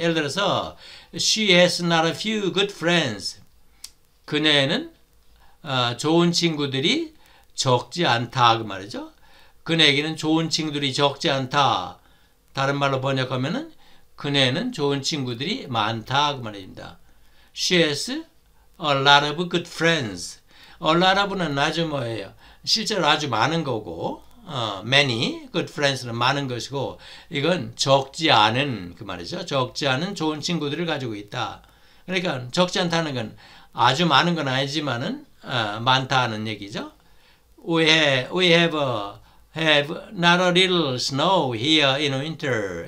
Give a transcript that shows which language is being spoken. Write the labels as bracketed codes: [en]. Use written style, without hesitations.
[ko] 예를 들어서 [en] she has not a few good friends. [ko] 그녀에는 좋은 친구들이 적지 않다 그 말이죠. 그녀에게는 좋은 친구들이 적지 않다. 다른 말로 번역하면은 그녀에는 좋은 친구들이 많다 그 말입니다. [en] She has a lot of good friends. A lot of [ko] 는 아주 뭐예요. 실제로 아주 많은 거고 many good friends는 많은 것이고 이건 적지 않은 그 말이죠. 적지 않은 좋은 친구들을 가지고 있다. 그러니까 적지 않다는 건 아주 많은 건 아니지만은 많다는 얘기죠. [en] We have not a little snow here in winter.